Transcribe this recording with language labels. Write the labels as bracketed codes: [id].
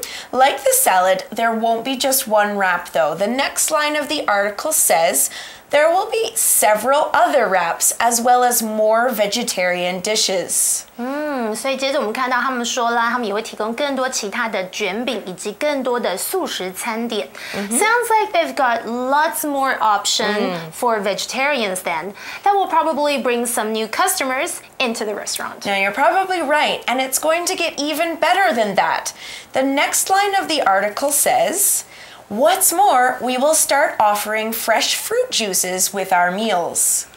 [en] Like the salad, there won't be just one wrap though. The next line of the article says, there will be several other wraps as well as more vegetarian dishes. [zh] 所以接着我们看到他们说啦，他们也会提供更多其他的卷饼以及更多的素食餐点。 [en] Sounds like they've got lots more options for vegetarians then. That will probably bring some new customers into the restaurant. Now you're probably right, and it's going to get even better than that. The next line of the article says... What's more, we will start offering fresh fruit juices with our meals.